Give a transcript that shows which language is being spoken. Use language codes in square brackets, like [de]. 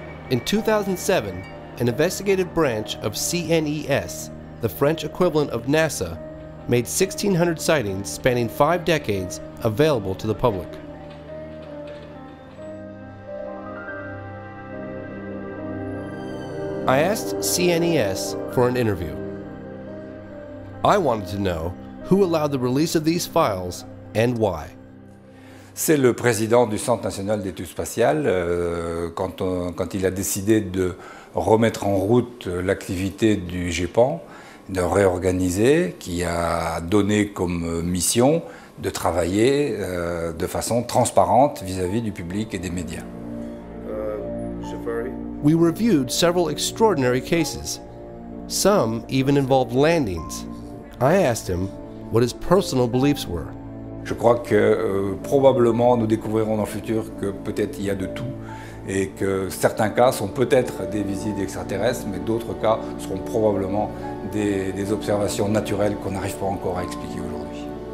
[en] In 2007, an investigative branch of CNES, the French equivalent of NASA, made 1,600 sightings spanning five decades available to the public. I asked CNES for an interview. I wanted to know who allowed the release of these files and why. [fr] C'est le président du Centre national d'études spatiales quand il a décidé de remettre en route l'activité du GEPAN, de réorganiser, qui a donné comme mission de travailler de façon transparente vis-à-vis du public et des médias. [en] We reviewed several extraordinary cases. Some even involved landings. I asked him what his personal beliefs were. [fr] Je crois que probablement nous découvrirons dans le futur que peut-être il y a de tout et que certains cas sont peut-être des visites extraterrestres, mais d'autres cas seront probablement des observations naturelles qu'on n'arrive pas encore à expliquer aujourd'hui.